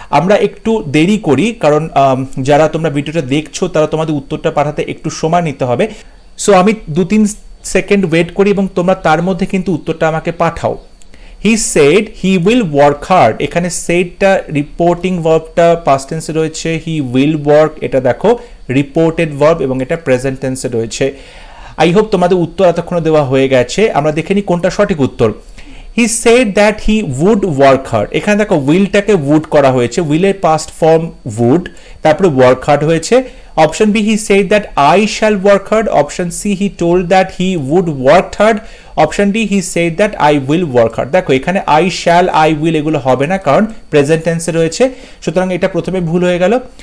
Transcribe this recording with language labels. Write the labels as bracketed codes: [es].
[bn] আমরা একটু দেরি করি কারণ যারা তোমরা ভিডিওটা দেখছো তারা তোমাদের উত্তরটা পাঠাতে একটু সময় নিতে হবে, সো আমি দু তিন সেকেন্ড ওয়েট করি এবং তোমরা তার মধ্যে কিন্তু উত্তরটা আমাকে পাঠাও। [en] he said he will work hard, [bn] এখানে সেইডটা রিপোর্টিং ভার্বটা পাস্ট টেন্সে রয়েছে, হি উইল ওয়ার্ক এটা দেখো রিপোর্টেড ভার্ব এবং এটা প্রেজেন্ট টেন্সে রয়েছে। আই হোপ তোমাদের উত্তর এতক্ষণ দেওয়া হয়ে গেছে, আমরা দেখে নিই কোনটা সঠিক উত্তর। [en] He said that he would work hard. [bn] এখানে দেখো উইলটাকে would করা হয়েছে, উইলের পাস্ট ফর্ম would, তারপরে work hard হয়েছে, [en] Option B he said that I shall work hard, option C he told that he would work hard, option D he said that I will work hard. [bn] দেখো এখানে I shall I will এগুলো হবে না কারণ present টেন্সে রয়েছে, সুতরাং এটা প্রথমে ভুল হয়ে গেল।